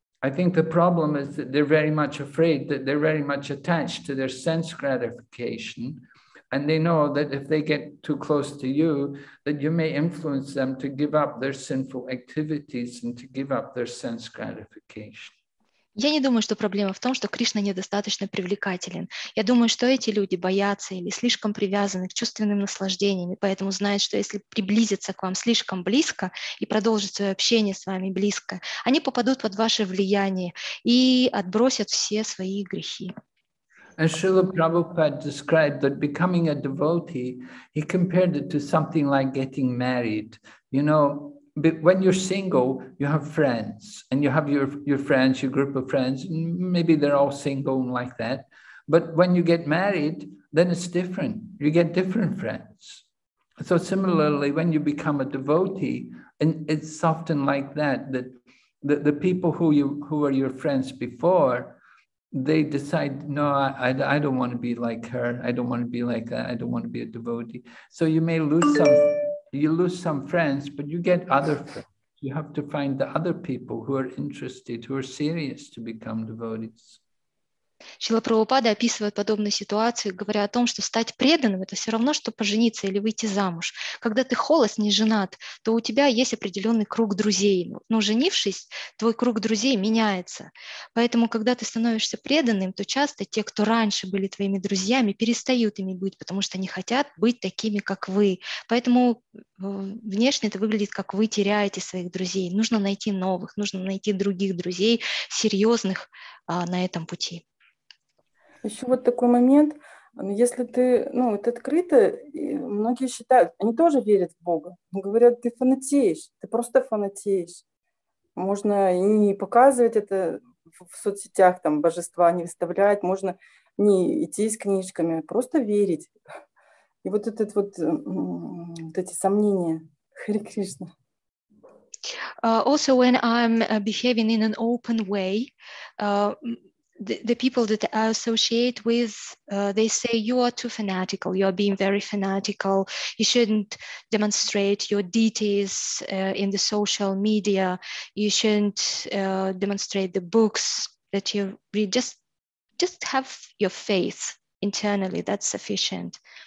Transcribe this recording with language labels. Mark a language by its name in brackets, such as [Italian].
[English] I think the problem is that they're very much afraid, that they're very much attached to their sense gratification. And they know that if they get too close to you, that you may influence them to give up their sinful activities and to give up their sense gratification. [Russian] Я не думаю, что проблема в том, что Кришна недостаточно привлекателен. Я думаю, что эти люди боятся или слишком привязаны к чувственным наслаждениям, и поэтому знают, что если приблизиться к вам слишком близко и продолжить свое общение с вами близко, они попадут под ваше влияние и отбросят все свои грехи. [English] And Srila Prabhupada described that becoming a devotee, he compared it to something like getting married. You know, when you're single, you have friends, and you have your friends, your group of friends, and maybe they're all single and like that. But when you get married, then it's different. You get different friends. So similarly, when you become a devotee, and it's often like that, that the people who were your friends before, they decide, no, I don't want to be like her. I don't want to be like that. I don't want to be a devotee. So you may lose some friends, but you get other friends. You have to find the other people who are interested, who are serious to become devotees. [Russian] Шрила Прабхупада описывает подобную ситуацию, говоря о том, что стать преданным — это все равно, что пожениться или выйти замуж. Когда ты холост, не женат, то у тебя есть определенный круг друзей. Но женившись, твой круг друзей меняется. Поэтому, когда ты становишься преданным, то часто те, кто раньше были твоими друзьями, перестают ими быть, потому что не хотят быть такими, как вы. Поэтому внешне это выглядит, как вы теряете своих друзей. Нужно найти новых, нужно найти других друзей, серьезных на этом пути. Еще вот такой момент, если ты, ну, это открыто, многие считают, они тоже верят в Бога, говорят, ты фанатеешь, ты просто фанатеешь, можно и не показывать это в соцсетях там божества не выставляет, можно не идти с книжками, а просто верить. И вот этот вот, вот эти сомнения. Харе Кришна. [English] Also, when I'm behaving in an open way, the people that I associate with, they say, you are too fanatical, you are being very fanatical, you shouldn't demonstrate your deities in the social media, you shouldn't demonstrate the books that you read, just have your faith internally, that's sufficient.